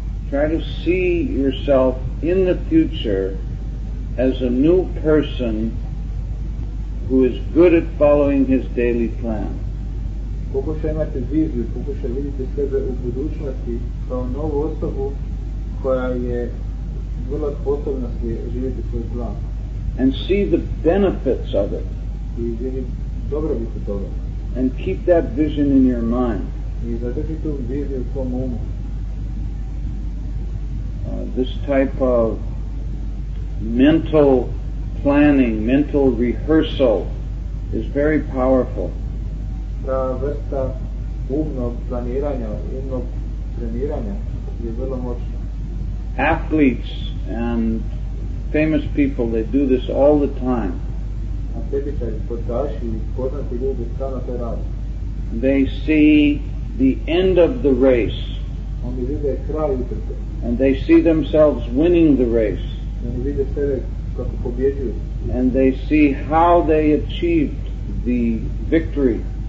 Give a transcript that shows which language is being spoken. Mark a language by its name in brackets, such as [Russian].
[English] Try to see yourself in the future as a new person who is good at following his daily plan. [Croatian] Pokušaj imati viziju, pokušaj vidjeti sebe u budućnosti kao novu osobu koja je vrlo sposobna živjeti svoj plan. [English] And see the benefits of it. [Croatian] I vidi dobro biti toga. [English] And keep that vision in your mind. [Croatian] I zadrži tu viziju u svom umu. [English] This type of mental planning, mental rehearsal is very powerful. [Croatian] Ta vrsta umnog planiranja, umnog treniranja je vrlo moćna. [English] Athletes and famous people, they do this all the time. [Croatian] Atletičari, sportaši, poznati ljudi stalno to rade. [English] They see the end of the race. [Croatian] Oni vide kraj utrke. [English] And they see themselves winning the race. [Croatian] Oni vide sebe kako pobjeđuju. [English] And they see how they achieved the victory.